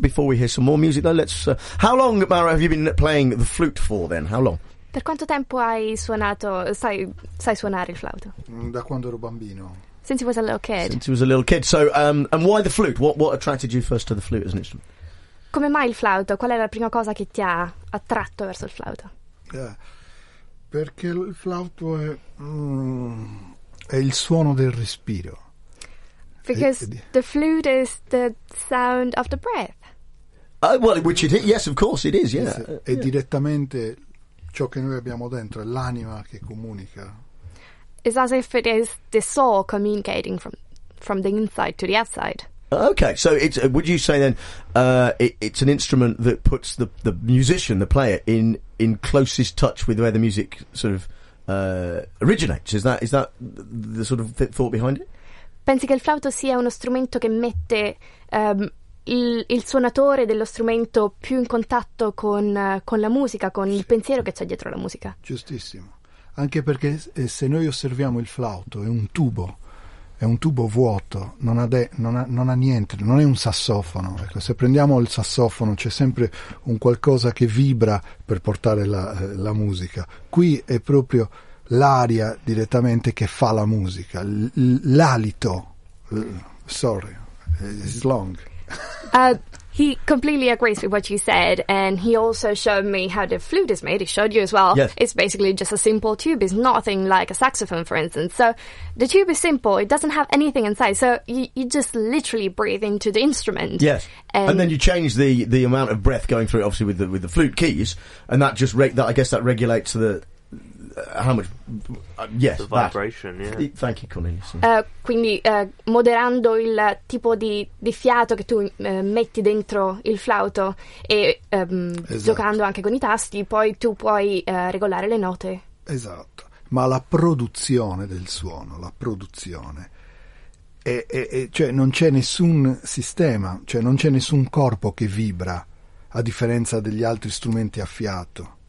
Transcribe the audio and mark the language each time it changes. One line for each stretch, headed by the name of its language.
English: Before we hear some more music, though, let's. How long, Mara, have you been playing the flute for? Then, how long?
Italian: Per quanto tempo hai suonato? Sai suonare il flauto? Da quando ero bambino.
English: Since he was a little kid. Since he was a little kid. So, and why the flute? What attracted you first to the flute as an instrument?
Italian: Come mai il flauto? Qual è la prima cosa che ti ha attratto verso il flauto? Perché il flauto è. È il suono del respiro.
English: Because the flute is the sound of the breath. Which it is. Yes, of course it is, yeah.
Italian: È direttamente ciò che noi abbiamo dentro, è l'anima che comunica.
English: It's as if it is the soul communicating from the inside to the outside. Okay, so it's, would you say then it's an instrument that puts the musician, the player, in closest touch with where the music sort of originates, is that the sort of thought behind it?
Italian: Pensi che il flauto sia uno strumento che mette il suonatore dello strumento più in contatto con la musica, con sì. Il pensiero che c'è dietro la musica. Giustissimo, anche perché se noi osserviamo il flauto è un tubo vuoto, non ha niente, non è un sassofono. Ecco, se prendiamo il sassofono c'è sempre un qualcosa che vibra per portare la musica. Qui è proprio l'aria direttamente che fa la musica, l'alito.
English: Sorry, it's long. He completely agrees with what you said, and he also showed me how the flute is made. He showed you as well. Yes. It's basically just a simple tube. It's nothing like a saxophone, for instance. So the tube is simple. It doesn't have anything inside. So you just literally breathe into the instrument. Yes. And then you change the amount of breath going through, obviously, with the flute keys, and that just that regulates the... how much yes the vibration that. Yeah. Thank you, Colin.
Italian: Quindi moderando il tipo di fiato che tu metti dentro il flauto e esatto. Giocando anche con i tasti poi tu puoi regolare le note. Esatto, ma la produzione del suono, la produzione è cioè non c'è nessun sistema, cioè non c'è nessun corpo che vibra a differenza degli altri strumenti a fiato.